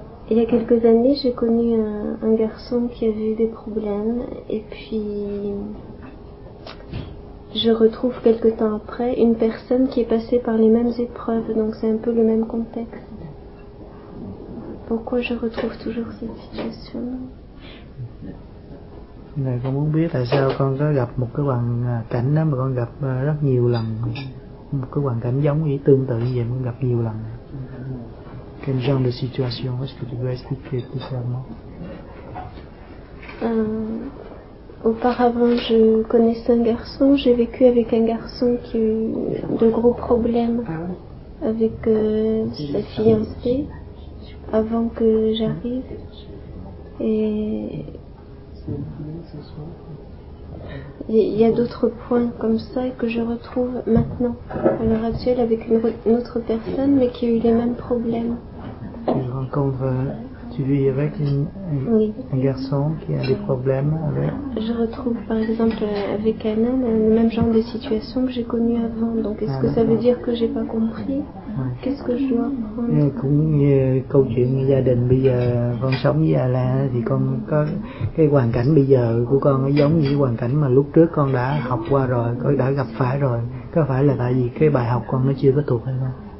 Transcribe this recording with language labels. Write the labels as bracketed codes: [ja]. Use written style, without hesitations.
[fr] Il y a quelques années, j'ai connu un garçon qui avait eu des problèmes, et puis je retrouve quelques temps après une personne qui est passée par les mêmes épreuves, donc c'est un peu le même contexte. Pourquoi je retrouve toujours cette situation? [vi] Này, con muốn biết tại sao con có gặp một cái hoàn cảnh đó mà con gặp rất nhiều lần, một cái hoàn cảnh giống ý tương tự như vậy mà con gặp nhiều lần. [fr] quel genre de situation? Est-ce que tu peux expliquer plus clairement? Auparavant, je connaissais un garçon. J'ai vécu avec un garçon qui a eu de gros problèmes avec sa fiancée avant que j'arrive. Et il y a d'autres points comme ça que je retrouve maintenant, à l'heure actuelle, avec une autre personne, mais qui a eu les mêmes problèmes. Tu rencontres, tu vis avec un garçon qui a des problèmes avec... Je retrouve, par exemple, avec Anna, le même genre de situation que j'ai connue avant. Donc, est-ce que ça veut dire que je n'ai pas compris? Ouais. Qu'est-ce que je dois apprendre? [vi] Câu chuyện gia đình bây giờ, con sống với Anna, thì con có cái hoàn cảnh bây giờ của con giống như hoàn cảnh mà lúc trước con đã học qua rồi, con đã gặp phải rồi. Có phải là tại vì cái bài học con nó chưa có thuộc hay không?